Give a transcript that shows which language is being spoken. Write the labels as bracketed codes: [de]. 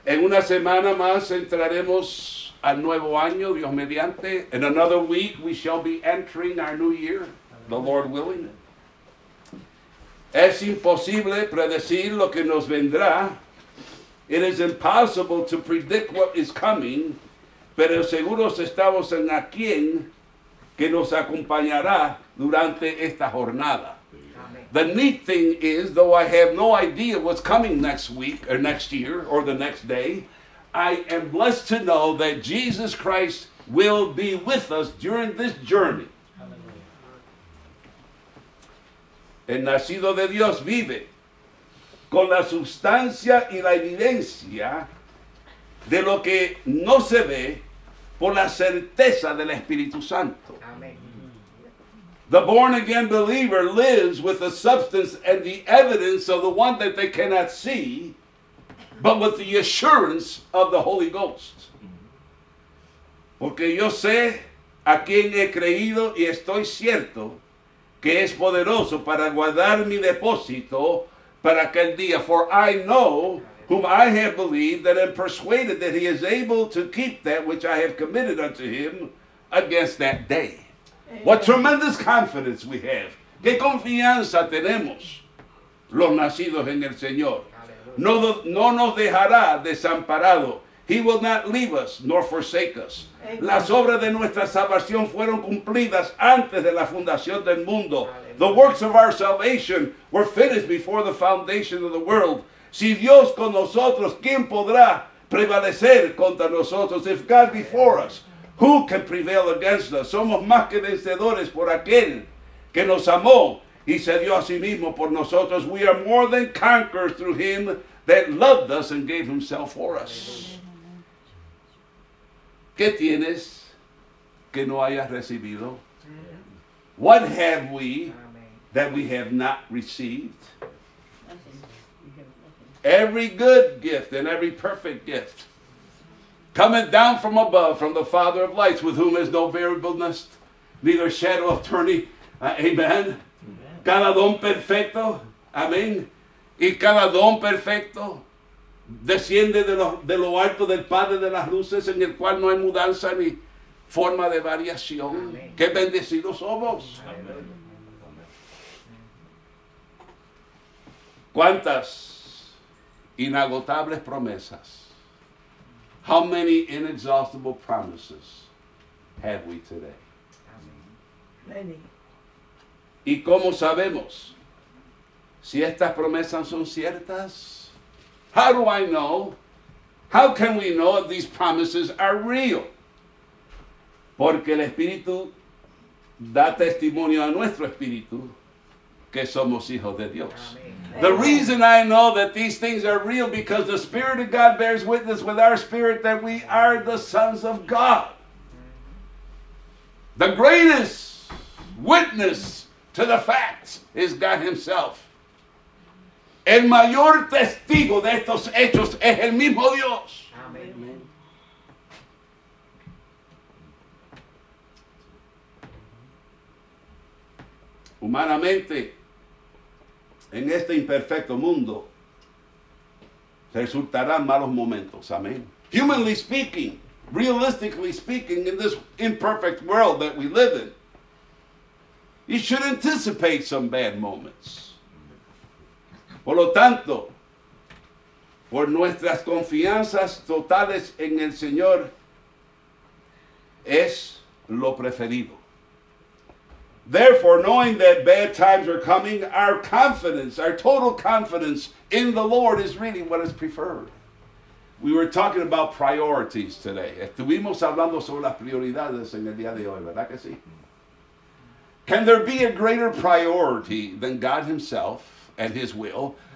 [es] En una semana más entraremos al nuevo año, Dios mediante. [en] In another week we shall be entering our new year, the Lord willing. [es] Es imposible predecir lo que nos vendrá. [en] It is impossible to predict what is coming, [es] pero seguros estamos en aquel que nos acompañará durante esta jornada. [en] The neat thing is, though I have no idea what's coming next week or next year or the next day, I am blessed to know that Jesus Christ will be with us during this journey. [es] El nacido de Dios vive con la sustancia y la evidencia de lo que no se ve por la certeza del Espíritu Santo. [en] The born-again believer lives with the substance and the evidence of the one that they cannot see, but with the assurance of the Holy Ghost. [es] Porque yo sé a quien he creído y estoy cierto que es poderoso para guardar mi depósito para aquel día. [en] For I know whom I have believed that am persuaded that he is able to keep that which I have committed unto him against that day. What tremendous confidence we have. [es] Qué confianza tenemos los nacidos en el Señor. No nos dejará desamparado. [en] He will not leave us nor forsake us. [es] Las obras de nuestra salvación fueron cumplidas antes de la fundación del mundo. [en] The works of our salvation were finished before the foundation of the world. [es] Si Dios con nosotros, ¿quién podrá prevalecer contra nosotros? [en] If God before us, who can prevail against us? [es] Somos más que vencedores por aquel que nos amó y se dio a sí mismo por nosotros. [en] We are more than conquerors through him that loved us and gave himself for us. [es] ¿Qué tienes que no hayas recibido? [en] What have we that we have not received? Every good gift and every perfect gift cometh down from above, from the Father of lights, with whom is no variableness, neither shadow of turning. [es] Amen. Cada don perfecto. Amén. Y cada don perfecto desciende de lo alto del Padre de las luces, en el cual no hay mudanza ni forma de variación. Amén. Qué bendecidos somos. Amén. ¿Cuántas inagotables promesas? [en] How many inexhaustible promises have we today? Many. [es] ¿Y cómo sabemos si estas promesas son ciertas? [en] How do I know? How can we know if these promises are real? [es] Porque el Espíritu da testimonio a nuestro Espíritu que somos hijos de Dios. Amen. [en] The reason I know that these things are real, because the Spirit of God bears witness with our spirit that we are the sons of God. The greatest witness to the facts is God himself. [es] El mayor testigo de estos hechos es el mismo Dios. Amen. Humanamente, en este imperfecto mundo resultarán malos momentos. Amén. [en] Humanly speaking, realistically speaking, in this imperfect world that we live in, you should anticipate some bad moments. [es] Por lo tanto, por nuestras confianzas totales en el Señor, es lo preferido. [en] Therefore, knowing that bad times are coming, our confidence, our total confidence in the Lord is really what is preferred. We were talking about priorities today. [es] Estuvimos hablando sobre las prioridades en el día de hoy, ¿verdad que sí? [en] Can there be a greater priority than God himself and his will?